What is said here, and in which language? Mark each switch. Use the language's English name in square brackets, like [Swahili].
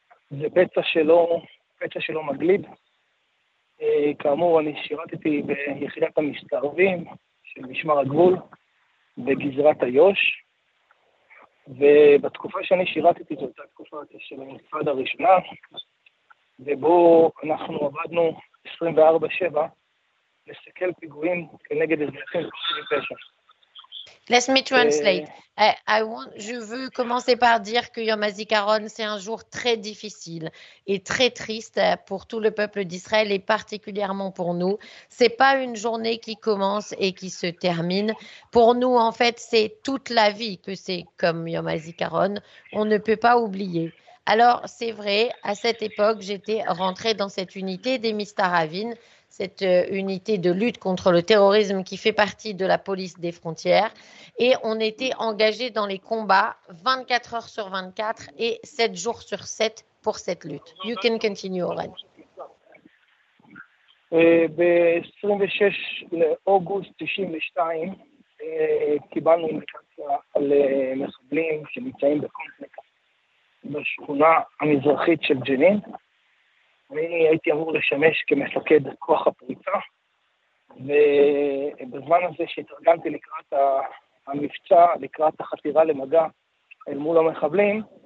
[Hebrew] זה פצע שלא מגליד. כאמור, אני שירתתי ביחידת המסתערבים של משמר הגבול בגזרת היוש, ובתקופה שאני שירתתי, זו אותה תקופה של המפעד הראשונה, ובו אנחנו עבדנו 24/7 לסכל פיגועים כנגד אזרחים וחפים מפשע. [English] Let me translate. [French] Je veux commencer par dire que Yom HaZikaron, c'est un jour très difficile et très triste pour tout le peuple d'Israël et particulièrement pour nous. Ce n'est pas une journée qui commence et qui se termine. Pour nous, en fait, c'est toute la vie que c'est comme Yom HaZikaron. On ne peut pas oublier. Alors, c'est vrai, à cette époque, j'étais rentrée dans cette unité des Mistaravin, cette unité de lutte contre le terrorisme qui fait partie de la police des frontières. Et on était engagés dans les combats 24 heures sur 24 et 7 jours sur 7 pour cette lutte. [English] You can continue, Oren. [Hebrew] Le 26 August 1992, אני הייתי אמור לשמש כמפקד כוח הפריצה, ובזמן הזה שהתארגנתי לקראת המבצע, לקראת החתירה למגע אל מול המחבלים,